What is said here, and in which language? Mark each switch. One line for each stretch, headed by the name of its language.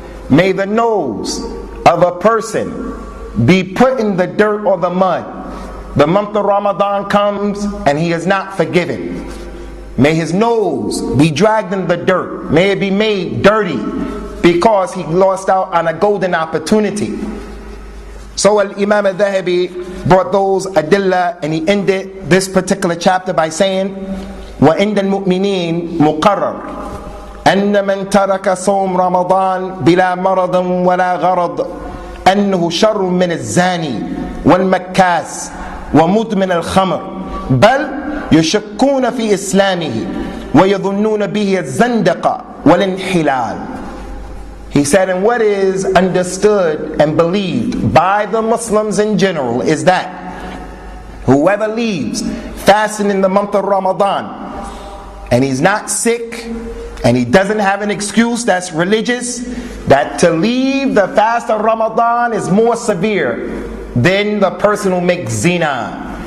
English: May the nose of a person be put in the dirt or the mud. The month of Ramadan comes and he is not forgiven. May his nose be dragged in the dirt. May it be made dirty because he lost out on a golden opportunity. So Imam al-Dhahabi brought those adilla and he ended this particular chapter by saying,
Arabic: وَإِنَّ الْمُؤْمِنِينَ مُقَرَّرٌ أَنَّ مَنْ تَرَكَ صَوْمْ رَمَضَانَ بِلَا مَرَضٍ وَلَا غَرَضٍ أَنَّهُ شَرٌ مِنَ الزَّانِي وَالْمَكَّاسِ وَمُدْمِنَ الْخَمْرِ بَلْ يُشَكُّونَ فِي إِسْلَامِهِ وَيَظُنُّونَ بِهِ الزَّنْدَقَ وَالْإِنْحِلَالِ.
English: He said, and what is understood and believed by the Muslims in general is that whoever leaves fasting in the month of Ramadan and he's not sick, and he doesn't have an excuse that's religious, that to leave the fast of Ramadan is more severe than the person who makes zina.